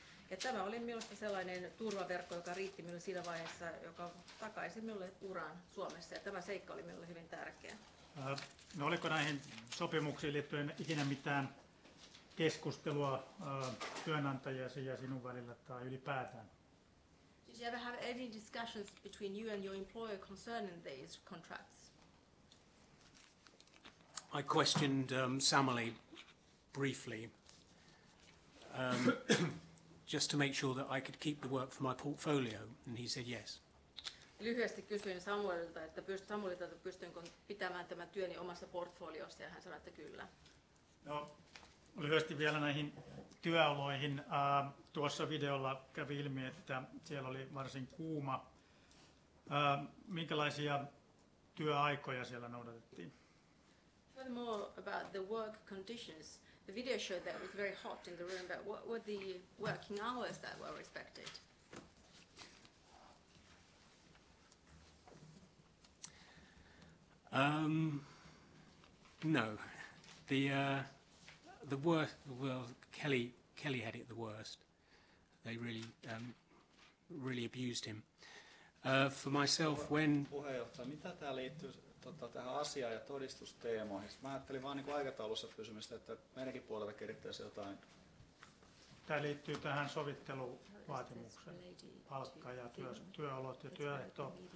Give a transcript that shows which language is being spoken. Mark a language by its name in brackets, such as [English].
[Finnish] Ja tämä oli minusta sellainen turvaverkko, joka riitti minulle siinä vaiheessa, joka takaisi minulle uran Suomessa. Ja tämä seikka oli minulle hyvin tärkeä. No oliko näihin sopimuksiin liittyen ikinä mitään keskustelua työnantajasi ja sinun välillä tai ylipäätään? [English] Did you ever have any discussions between you and your employer concerning these contracts? I questioned Samuli briefly just to make sure that I could keep the work for my portfolio, and he said yes. [Finnish] Lyhyesti kysyin Samuelilta, että pystynkö pitämään tämän työni omassa portfoliossa, ja hän sanoi, että kyllä. No, lyhyesti vielä näihin työoloihin. Tuossa videolla kävi ilmi, että siellä oli varsin kuuma. Minkälaisia työaikoja siellä noudatettiin? [English] Furthermore, about the work conditions. The video showed that it was very hot in the room, but what were the working hours that were respected? No, the worst. Well, Kelly had it the worst. They really, really abused him. For myself, when. [Finnish] Puheenjohtaja, mitä tää liittyy tähän asiaan ja todistusteemoihin? Mä ajattelin vaan niinku aikataulussa kysymystä, että meidänkin puolelle kerittäisi jotain. Tää liittyy tähän sovitteluvaatimukseen, palkka ja työolot ja työehto.